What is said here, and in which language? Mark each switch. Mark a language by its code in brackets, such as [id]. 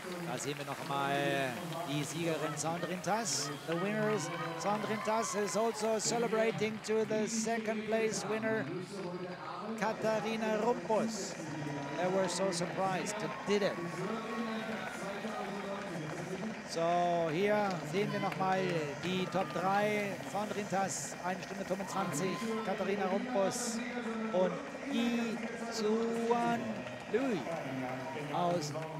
[de] Da sehen wir noch mal die Siegerin Sandrintas. [en] The winner Sandrintas is also celebrating to the second place winner Katharina Rumpus. They were so surprised to did it. [de] So, hier sehen wir nochmal die Top 3 von Rintas, 1 Stunde 25, Katharina Rumpus und Yizhuan Lui aus